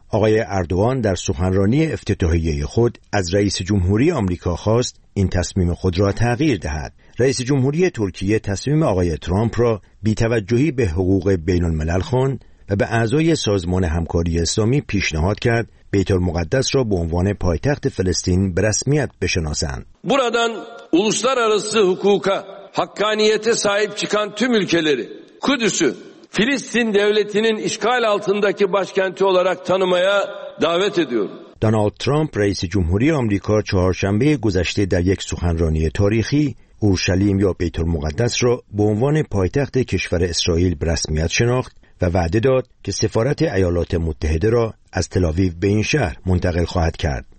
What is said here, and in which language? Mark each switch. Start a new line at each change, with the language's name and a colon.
Persian: آقای اردوغان در سخنرانی افتتاحیه خود از رئیس جمهوری آمریکا خواست این تصمیم خود را تغییر دهد. رئیس جمهوری ترکیه تصمیم آقای ترامپ را بی توجهی به حقوق بین الملل خواند و به اعضای سازمان همکاری اسلامی پیشنهاد کرد بیت المقدس را به عنوان پایتخت فلسطین به رسمیت بشناسند.
Turkish: buradan uluslararası hukuka hakkaniyete sahip çıkan tüm ülkeleri Kudüs'ü Filistin devletinin işgal altındaki başkenti olarak tanımaya davet ediyorum.
Persian: دونالد ترامپ رئیس جمهوری آمریکا چهارشنبه گذشته در یک سخنرانی تاریخی اورشلیم یا بیت المقدس را به عنوان پایتخت کشور اسرائیل به رسمیت شناخت و وعده داد که سفارت ایالات متحده را از تل آویو به این شهر منتقل خواهد کرد.